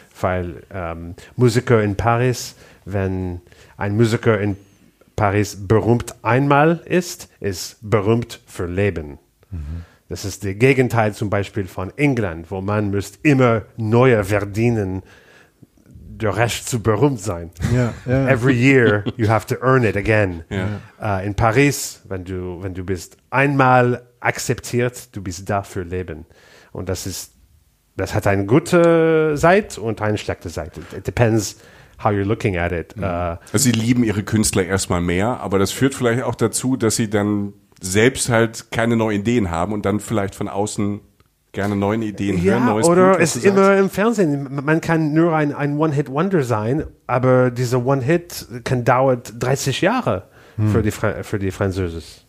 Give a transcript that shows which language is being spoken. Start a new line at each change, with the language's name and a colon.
German: Weil Musiker in Paris, wenn ein Musiker in Paris berühmt einmal ist, ist berühmt für Leben. Mhm. Das ist der Gegenteil zum Beispiel von England, wo man müsst immer neue verdienen, der Recht zu berühmt sein.
English: Yeah. Every year you have to earn it again. Yeah.
German: In Paris, wenn du bist einmal akzeptiert, du bist da für Leben. Und das hat eine gute Seite und eine schlechte Seite.
English: It depends how you're looking at it.
German: Also sie lieben ihre Künstler erstmal mehr, aber das führt vielleicht auch dazu, dass sie dann selbst halt keine neuen Ideen haben und dann vielleicht von außen gerne neue Ideen hören. Ja, neues oder es ist immer im Fernsehen. Man kann nur ein One-Hit-Wonder sein, aber dieser One-Hit kann dauert 30 Jahre für die Französisch.